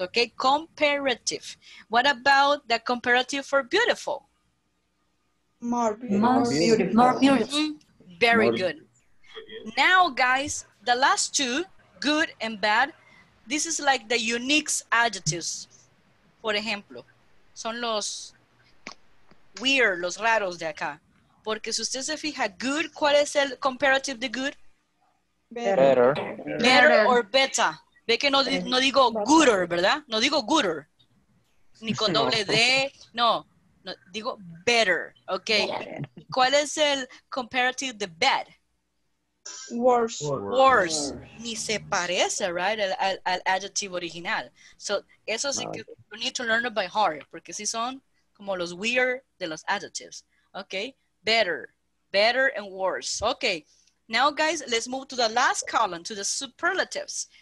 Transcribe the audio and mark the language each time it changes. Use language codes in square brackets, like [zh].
[en] Okay, comparative. What about the comparative for beautiful? More beautiful. Mm-hmm. Very more good. Beautiful. Now, guys, the last two, good and bad, this is like the unique adjectives. [es] Por ejemplo, son los weird, los raros de acá. Porque si usted se fija, good, ¿cuál es el comparative de good? [en] Better. Or better. [es] Ve que no digo gooder, ¿verdad? No digo gooder. Ni con doble D. No, digo better. Ok. Better. ¿Cuál es el comparative de bad? [en] Worse. [es] Ni se parece, right? Al adjetivo original. [en] So, [es] eso sí que [en] you need to learn it by heart. [es] Porque si son como los weird de los adjectives. [en] Ok. Better. Better and worse. Ok. Now, guys, let's move to the last column, to the superlatives.